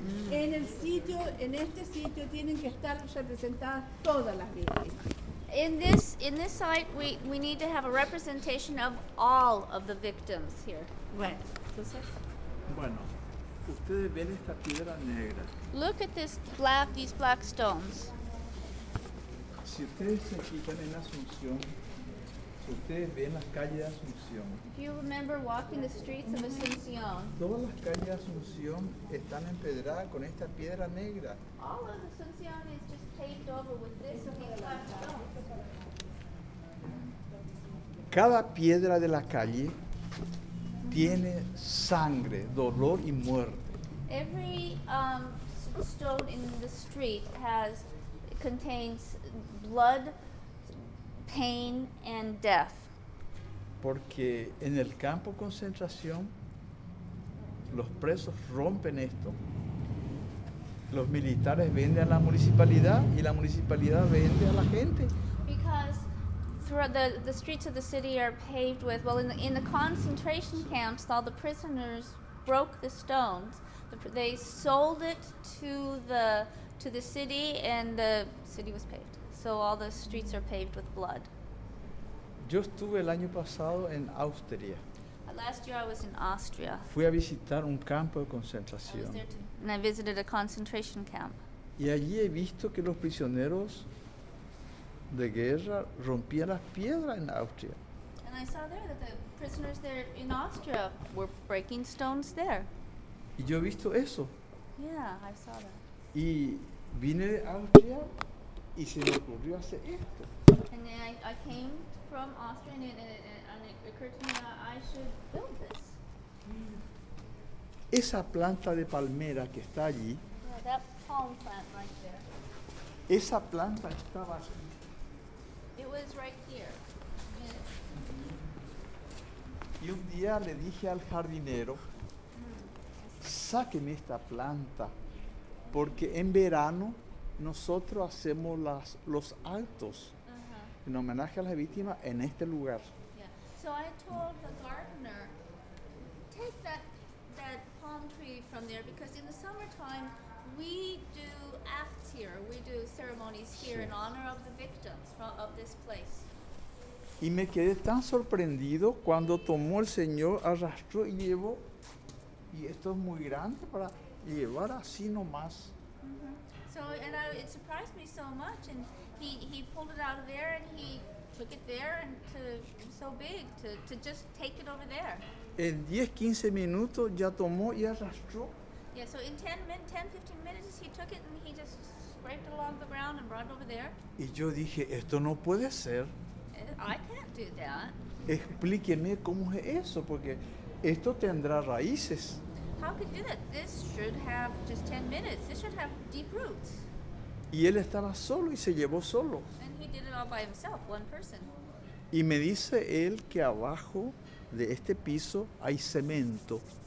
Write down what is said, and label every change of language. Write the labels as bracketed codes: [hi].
[es] En el sitio, en este sitio tienen que estar representadas todas las víctimas. [en] In this site we need to have a representation of all of the victims here. [es] Bueno, entonces. Bueno. ustedes ven esta piedra negra. [en] Look at this black, these black stones. [es] Si ustedes se fijan en Asunción, si ustedes ven las calles de Asunción. [en] If you remember walking the streets of Asunción. [es] Todas las calles de Asunción están empedradas con esta piedra negra. [en] All of Asunción is just paved over with this and these black stones. [es] Cada piedra de la calle tiene sangre, dolor y muerte. [en] Every stone in the street contains blood, pain and death. [es] Porque en el campo de concentración los presos rompen esto. Los militares venden a la municipalidad y la municipalidad vende a la gente. [en] Because the streets of the city are paved with, well, in the concentration camps, all the prisoners broke the stones. They sold it to the city, and the city was paved. So all the streets are paved with blood. [es] Yo estuve el año pasado en Austria. [en] Last year I was in Austria. [es] Fui a visitar un campo de concentración. [en] And I visited a concentration camp. [es] Y allí he visto que los prisioneros de guerra rompían las piedras en Austria. [en] And I saw there that the prisoners there in Austria were breaking stones there. [es] Y yo he visto eso. [en] Yeah, I saw that. [es] Y vine de Austria y se me ocurrió hacer esto. [en] And then I came from Austria and it occurred to me that I should build this. [es] Esa planta de palmera que está allí. [en] Yeah, that palm plant right there. [es] Esa planta estaba así. [en] It was right here. [es] Y un día le dije al jardinero, sáqueme esta planta, porque en verano nosotros hacemos los altos en homenaje a las víctimas en este lugar. [en] Yeah. So I told the gardener, take that palm tree from there, because in the summertime we do act here, we do ceremonies here in honor of the victims of this place. [es] Y me quedé tan sorprendido cuando tomó el señor, arrastró y llevó, y esto es muy grande para llevar así nomás. [en] So, and it surprised me so much, and he pulled it out of there and he took it there, and to so big to just take it over there. [es] En 10, 15 minutos ya tomó y arrastró. [en] Yeah, so in 10-15 minutes he took it and he just scraped along the ground and brought it over there. [es] Y yo dije, esto no puede ser. [en] I can't do that. [es] Explíqueme cómo es eso, porque esto tendrá raíces. [en] How could you do that? This should have just 10 minutes. This should have deep roots. [es] Y él estaba solo y se llevó solo. [en] And he did it all by himself, one person. [es] Y me dice él que abajo de este piso hay cemento.